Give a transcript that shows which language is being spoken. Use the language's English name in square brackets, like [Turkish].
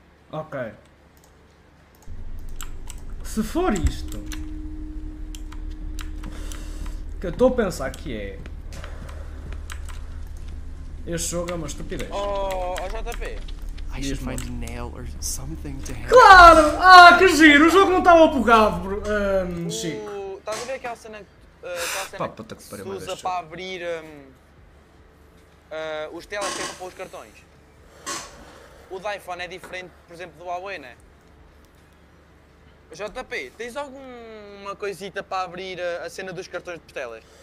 [Portuguese] Ok. Se for isto que eu estou a pensar que é. Este jogo é uma estupidez. Oh, JP. [English] I should find a nail or something to hang. [Portuguese] Claro! Ah, que giro! O jogo não estava bugado, bro. Chico. Estás a ver aquela cena que se usa para abrir os telas para pôr os cartões? O do iPhone é diferente, por exemplo, do Huawei, não é? JP, tens alguma coisita para abrir a cena dos cartões de Portela?